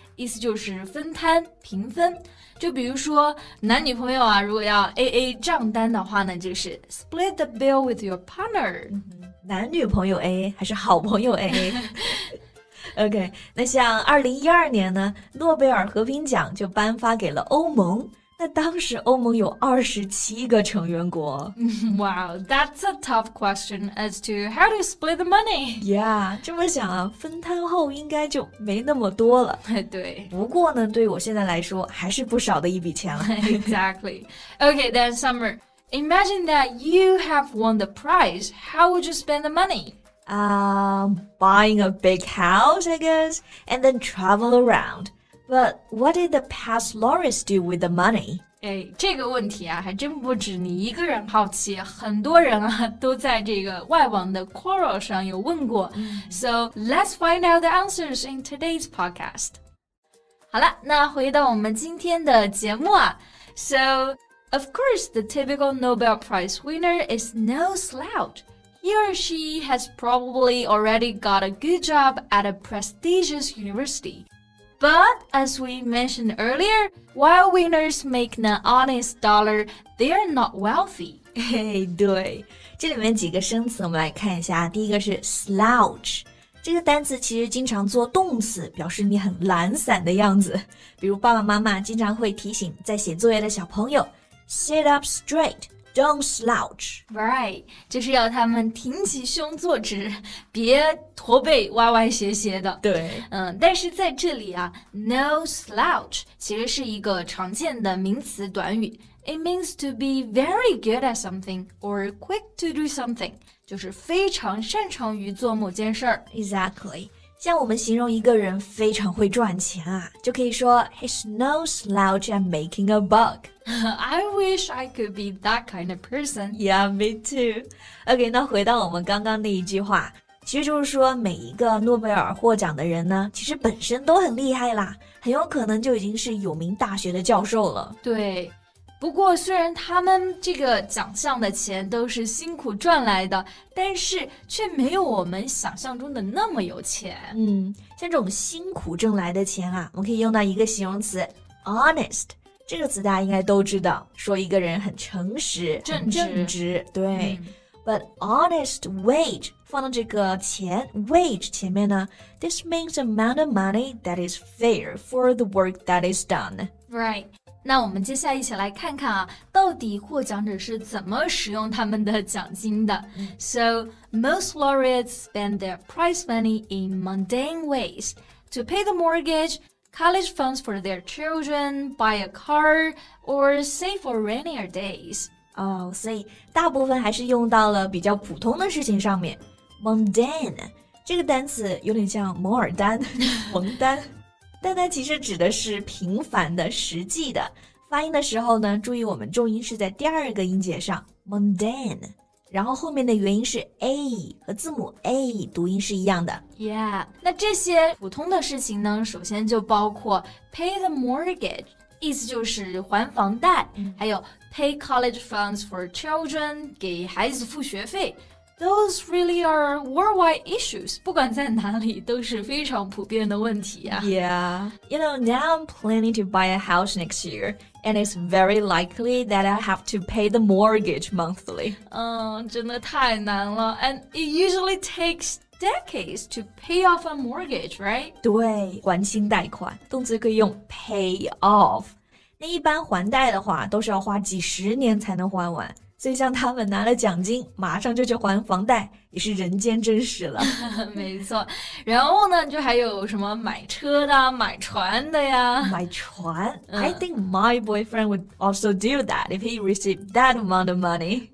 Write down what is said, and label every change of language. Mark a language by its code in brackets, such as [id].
[zh] 意思就是分摊、平分。就比如说男女朋友啊，如果要 AA 账单的话呢，就是 [en] split the bill with your partner. [zh] 男女朋友 AA 还是好朋友 AA? OK, 那像2012年呢，诺贝尔和平奖就颁发给了欧盟。那当时欧盟有27个成员国。 [en] Wow, that's a tough question as to how to split the money. [zh] Yeah, 这么想啊，分摊后应该就没那么多了。对。不过呢，对我现在来说还是不少的一笔钱了。 [en] Exactly. Okay, then Summer, imagine that you have won the prize. How would you spend the money? Buying a big house, I guess, and then travel around. But what did the past Loris do with the money? [zh] 这个问题啊，还真不止你一个人好奇，很多人啊，都在这个外网的 Quora 上有问过。 [en] So let's find out the answers in today's podcast. [zh] 好了，那回到我们今天的节目啊。 [en] So, of course, the typical Nobel Prize winner is no slouch. He or she has probably already got a good job at a prestigious university. But as we mentioned earlier, while winners make an honest dollar, they are not wealthy. [zh] Hey, 对，这里面几个生词我们来看一下。第一个是 slouch， 这个单词其实经常做动词，表示你很懒散的样子。比如爸爸妈妈经常会提醒在写作业的小朋友 ， [en] sit up straight。 Don't slouch. [zh] Right, 就是要他们挺起胸坐直，别驼背歪歪斜斜的。对，但是在这里啊 ，no slouch 其实是一个常见的名词短语。 [en] It means to be very good at something or quick to do something， [zh] 就是非常擅长于做某件事儿。 Exactly， 像我们形容一个人非常会赚钱啊，就可以说 [en] he's no slouch at making a buck. I wish I could be that kind of person. Yeah, me too. [zh] Okay, 那回到我们刚刚那一句话，其实就是说每一个诺贝尔获奖的人呢，其实本身都很厉害啦，很有可能就已经是有名大学的教授了。对，不过虽然他们这个奖项的钱都是辛苦赚来的，但是却没有我们想象中的那么有钱。像这种辛苦挣来的钱啊，我们可以用到一个形容词 ,honest. 这个词大家应该都知道，说一个人很诚实、正直对。 [en] But honest wage, [zh] 放到这个钱 wage 前面呢 [en] ,this means amount of money that is fair for the work that is done. Right. [zh] 那我们接下来一起来看看啊，到底获奖者是怎么使用他们的奖金的。 [en] So, most laureates spend their prize money in mundane ways. To pay the mortgage,college funds for their children, buy a car, or save for rainier days. [zh] Oh, 所以大部分还是用到了比较普通的事情上面。 Mundane, 这个单词有点像摩尔丹、蒙丹，但它其实指的是平凡的、实际的。发音的时候呢，注意我们重音是在第二个音节上 ,mundane。然后后面的元音是 a 和字母 a 读音是一样的。 Yeah, 那这些普通的事情呢，首先就包括 [en] pay the mortgage, [zh] 意思就是还房贷，还有 [en] pay college funds for children, [zh] 给孩子付学费。 [en] Those really are worldwide issues. [zh] 不管在哪里都是非常普遍的问题啊。 [en] Yeah, you know, now I'm planning to buy a house next year, and it's very likely that I have to pay the mortgage monthly. [zh] 真的太难了。 [en] And it usually takes decades to pay off a mortgage, right? [zh] 对，还清贷款，动词可以用 pay off. 那一般还贷的话，都是要花几十年才能还完。所以像他们拿了奖金马上就去还房贷也是人间真实了。没错。然后呢就还有什么买车的买船的呀。买船、 [en] I think my boyfriend would also do that if he received that amount of money.